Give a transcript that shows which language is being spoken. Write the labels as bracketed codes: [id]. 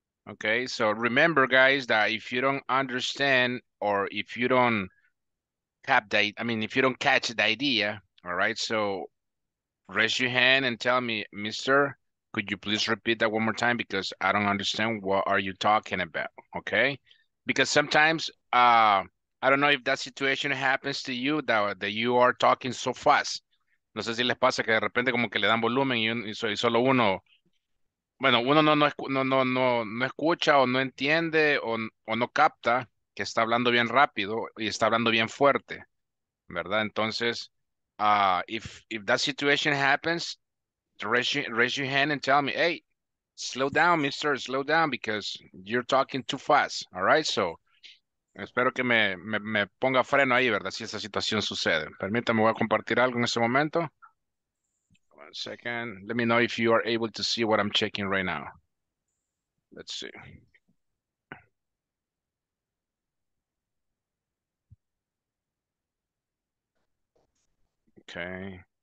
[en] Okay, so remember, guys, that if you don't understand, or if you don't cap that, I mean, if you don't catch the idea, all right, so raise your hand and tell me, Mister, could you please repeat that one more time, because I don't understand what are you talking about, okay? Because sometimes, I don't know if that situation happens to you, that you are talking so fast. [es] No sé si les pasa que de repente como que le dan volumen y solo uno, bueno, uno no escucha o no entiende o no capta que está hablando bien rápido y está hablando bien fuerte, ¿verdad? [en] Entonces, if that situation happens, raise your hand and tell me, hey, slow down, mister, slow down, because you're talking too fast, all right? [es] So, espero que me ponga freno ahí, ¿verdad? Si esa situación sucede. Permítame, voy a compartir algo en este momento. [en] One second. Let me know if you are able to see what I'm checking right now. Let's see. Okay.